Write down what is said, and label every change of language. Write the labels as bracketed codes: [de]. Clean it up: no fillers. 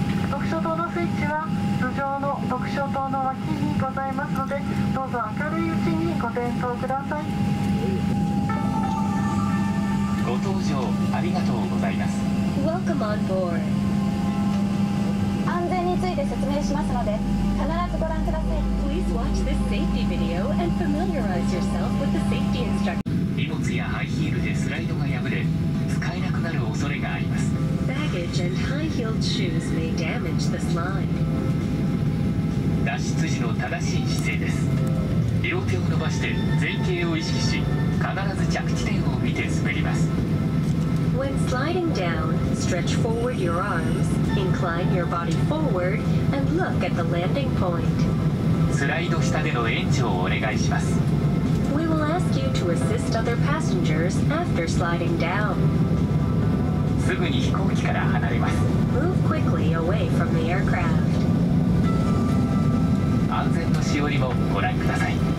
[ja] 読書灯のスイッチは頭上の読書灯の脇にございますので、どうぞ明るいうちにご点灯ください。ご搭乗ありがとうございます。 [en] Welcome on board. [ja] 安全について説明しますので必ずご覧ください。 [en] Please watch this safety video and familiarize yourself with the safety instructions. [ja] 荷物やハイヒールでスライドが破れ使えなくなる恐れがあります。 [en] And high-heeled shoes may damage the slide. [ja] 脱出時の正しい姿勢です。両手を伸ばして前傾を意識し、必ず着地点を見て滑ります。 [en] When sliding down, stretch forward your arms, incline your body forward, and look at the landing point. [ja] スライド下での援助をお願いします。 [en] We will ask you to assist other passengers after sliding down. [ja] すぐに飛行機から離れます。 [en] Move quickly away from the aircraft. [ja] 安全のしおりもご覧ください。